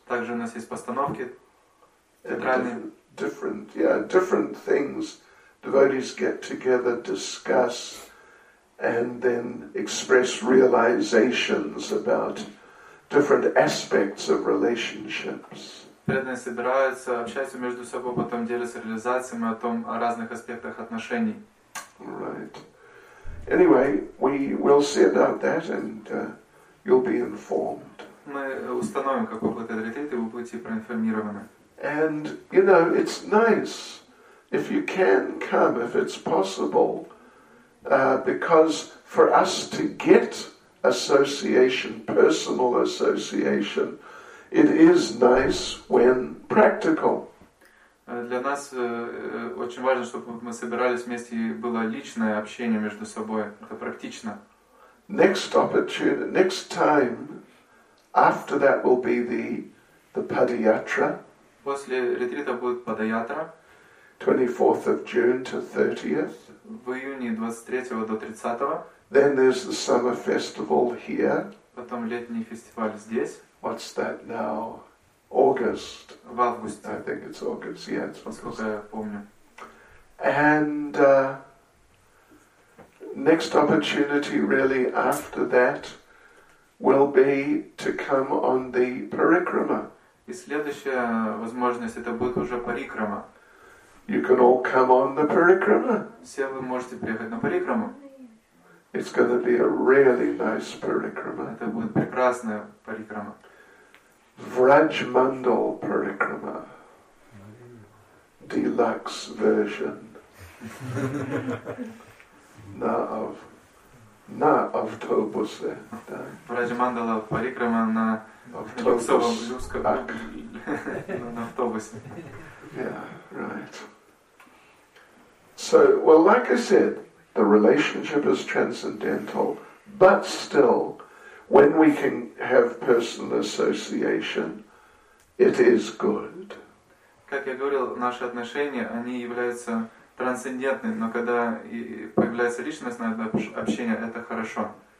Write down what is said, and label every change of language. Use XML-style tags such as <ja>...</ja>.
<ru>Также у нас есть постановки театральные.</ru> <en>Different things. Devotees get together, discuss, and then express realizations about different aspects of relationships.</en> <ru>преданные собираются, общаются между собой, потом делятся реализациями о том, о разных аспектах отношений.</ru> <en>Right. Anyway, we will see about that, and you'll be informed.</en> <ru>Мы установим какой будет этот ретрит, и вы будете проинформированы.</ru> <en>And you know, it's nice if you can come, if it's possible, because for us to get association, personal association, it is nice when practical.</en> <ru>Для нас очень важно, чтобы мы собирались вместе и было личное общение между собой. Это практично.</ru> <en>Next opportunity, next time, after that will be the Padayatra.</en> <ru>После ретрита будет Падаятра.</ru> <en>24th of June to 30th.</en> <ru>В июне 23 до 30.</ru> <en>Then there's the summer festival here.</en> <ru>Потом летний фестиваль здесь.</ru> <en>What's that now? August.</en> <ru>В августе.</ru> <en>I think it's August. Yeah, it's August.</en> <ru>Насколько я помню.</ru> <en>And next opportunity really after that will be to come on the parikrama.</en> <ru>И следующая возможность это будет уже парикрама.</ru> <en>You can all come on the parikrama.</en> <ru>Все вы можете приехать на парикраму.</ru> <en>It's going to be a really nice parikrama.</en> <ru>Это будет прекрасная парикрама.</ru> <en>Vraj Mandal Parikrama. Deluxe version. Na of Tobuse.</en> <ru>Vraj Mandal Parikrama na автобусе.</ru> <en>Yeah, right. So, well, like I said, the relationship is transcendental, but still, when we can have personal association, it is good.</en> <ru>Как я говорил, наши отношения, они являются трансцендентны, но когда появляется личностное общение, это хорошо.</ru>